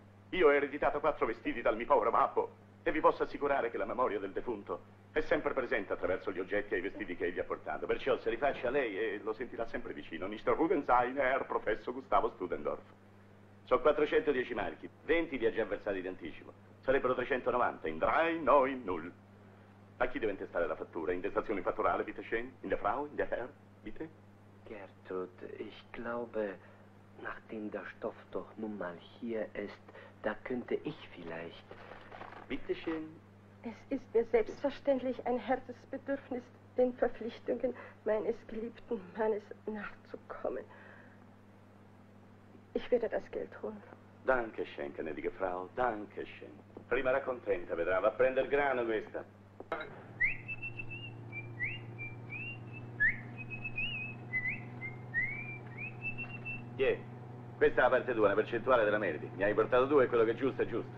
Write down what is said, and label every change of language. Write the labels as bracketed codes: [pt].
[it] Io ho ereditato 4 vestiti dal mio povero babbo. E vi posso assicurare che la memoria del defunto è sempre presente attraverso gli oggetti e i vestiti che egli ha portato. Perciò se li faccia lei e lo sentirà sempre vicino. Mr. Rubenstein, Herr Professor Gustav Studendorf. Sono 410 marchi, 20 li ha già versati di anticipo. Sarebbero 390, in drei, no, in null. A chi deve intestare la fattura? In destazione fatturale, [de] bitte schön? In der Frau, in der Herr, bitte? Gertrud, ich glaube, nachdem der Stoff doch nun mal hier ist, da könnte ich vielleicht... Bitte schön. Es ist mir selbstverständlich ein Herzensbedürfnis, den Verpflichtungen meines geliebten Mannes nachzukommen. Ich werde das Geld holen. Danke schön, gnädige Frau, danke schön. [it] Prima era contenta, vedrà, va a prendere grano questa. Yeah. Questa è la parte tua, la percentuale della meriti. Mi hai portato 2 e quello che è giusto è giusto.